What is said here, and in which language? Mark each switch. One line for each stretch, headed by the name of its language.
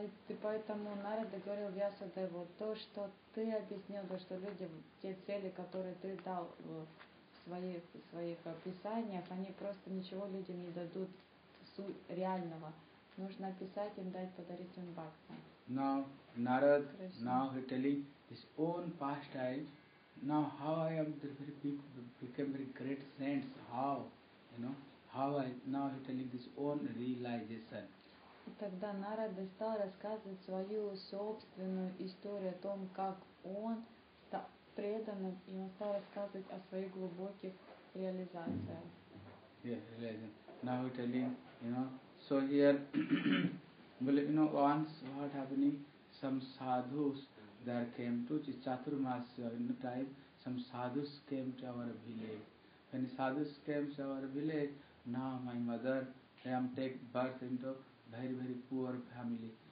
Russian: И поэтому Нарада говорил Вьясадеву, то, что ты объяснил, то, что люди, те цели, которые ты дал в своих описаниях, они просто ничего людям не дадут реального. Нужно описать им, дать, подарить им бхакти.
English: Now Narad, Krishna. Now he telling his own pastime. Now how I am the very big, became very great saints. How, you know, how I now he telling his own realization.
Russian: И тогда Нарада стал рассказывать свою собственную историю о том, как он стал преданным, и он стал рассказывать о своих глубоких реализациях.
English: Now he telling, you know, so here, well, you know, once what happening, some sadhus there came to Chaturmasya in the time, some sadhus came to our village. When sadhus came to our village, now my mother, I am take birth into very, very poor family.